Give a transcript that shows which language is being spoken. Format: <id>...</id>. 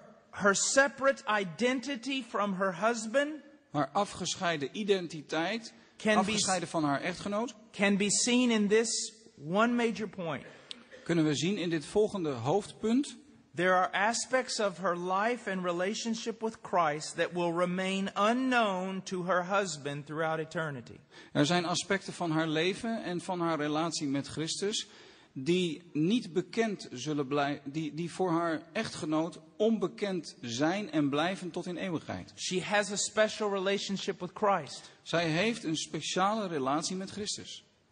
<en>her separate identity from her husband,</en> <nl>haar afgescheiden identiteit, afgescheiden van haar echtgenoot,</nl> <en>can be seen in this one major point.</en> <nl>Kunnen we zien in dit volgende hoofdpunt.</nl> <en>There are aspects of her life and relationship with Christ that will remain unknown to her husband throughout eternity.</en> <nl>Er zijn aspecten van haar leven en van haar relatie met Christus die niet bekend zullen blijven, die voor haar echtgenoot onbekend zijn en blijven tot in eeuwigheid.</nl> <en>She has a special relationship with Christ.</en> <nl>Zij heeft een speciale relatie met Christus.</nl>